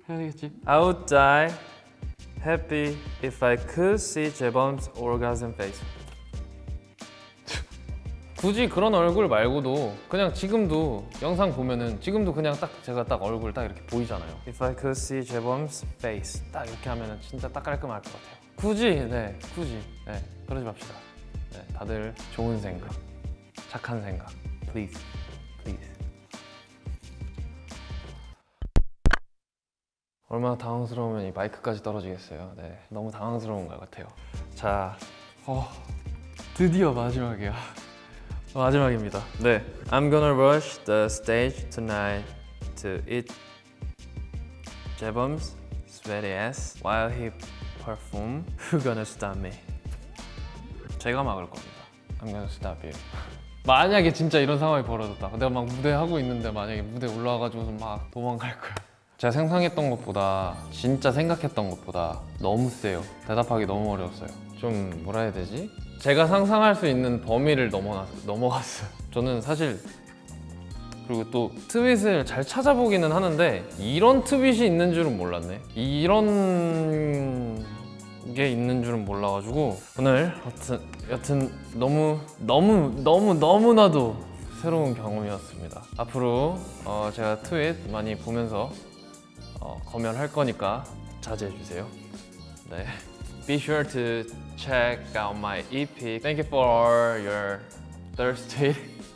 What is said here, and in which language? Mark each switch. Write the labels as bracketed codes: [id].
[en] I would die happy if I could see Jaebeom's orgasm face. [ko] 굳이 그런 얼굴 말고도 그냥 지금도 영상 보면은 지금도 그냥 딱 제가 딱 얼굴 딱 이렇게 보이잖아요. [en] If I could see Jaebeom's face. [ko] 딱 이렇게 하면은 진짜 딱 깔끔할 것 같아요. 굳이, 네, 굳이, 네, 그러지 맙시다. 네, 다들 좋은 생각, 착한 생각. [en] Please. [ko] 얼마나 당황스러우면 이 마이크까지 떨어지겠어요. 네, 너무 당황스러운 것 같아요. 자, 드디어 마지막이야. 마지막입니다. 네. [en] I'm gonna rush the stage tonight to eat Jaebeom's sweaty ass while he perform. Who gonna stop me? [ko] 제가 막을 겁니다. [en] I'm gonna stop you. [ko] 만약에 진짜 이런 상황이 벌어졌다. 내가 막 무대하고 있는데 만약에 무대 올라와가지고서 막 도망갈 거야. 제가 상상했던 것보다 진짜 생각했던 것보다 너무 세요. 대답하기 너무 어려웠어요. 좀 뭐라 해야 되지? 제가 상상할 수 있는 범위를 넘어갔어요. 저는 사실 그리고 또 트윗을 잘 찾아보기는 하는데 이런 트윗이 있는 줄은 몰랐네. 이런 게 있는 줄은 몰라가지고 오늘 여튼 너무나도 새로운 경험이었습니다. 앞으로 제가 트윗 많이 보면서 검열할 거니까 자제해주세요. 네. [en] Be sure to check out my EP. Thank you for your Thursday.